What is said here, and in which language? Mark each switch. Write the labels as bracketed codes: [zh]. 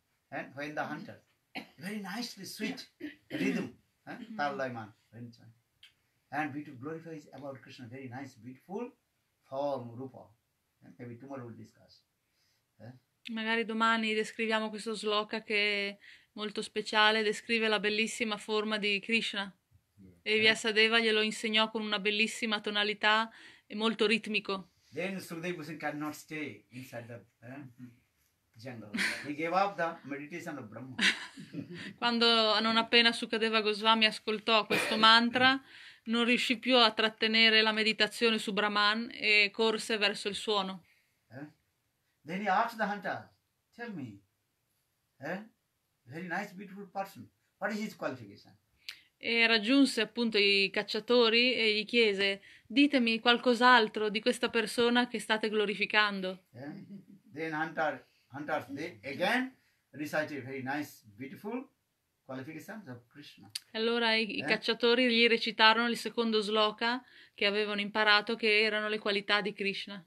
[en] And when the hunter, very nicely sweet rhythm, Tarlaiman, and we to glorify about Krishna, very nice, beautiful form, Rupa. And maybe tomorrow we'll discuss. [it] Magari domani descriviamo questo sloka che è molto speciale, descrive la bellissima forma di Krishna. E Vyasadeva glielo insegnò con una bellissima tonalità e molto ritmico. [en] Then Sukadeva Goswami cannot stay inside the jungle. He gave up the meditation of Brahma. [it] Quando non appena Sukadeva Goswami ascoltò questo mantra, non riuscì più a trattenere la meditazione su Brahman e corse verso il suono. [en] Then he asked the hunter, "Tell me, very nice, beautiful person. What is his qualification?" [it] E raggiunse appunto i cacciatori e gli chiese, ditemi qualcos'altro di questa persona che state glorificando. [en] Then hunters they again recited very nice, beautiful qualifications of Krishna. [it] Allora i cacciatori gli recitarono il secondo sloka che avevano imparato, che erano le qualità di Krishna.